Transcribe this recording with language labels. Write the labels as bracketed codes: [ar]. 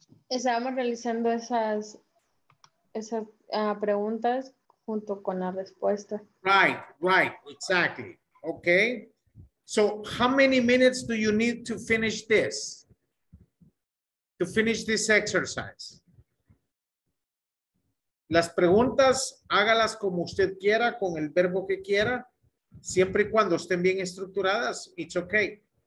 [es] Estábamos realizando esas preguntas junto con la respuesta. [en] Right, exactly. Okay, so how many minutes do you need to finish this? To finish this exercise? [es] Las preguntas, hágalas como usted quiera, con el verbo que quiera, Siempre y cuando estén bien estructuradas, [en] it's okay.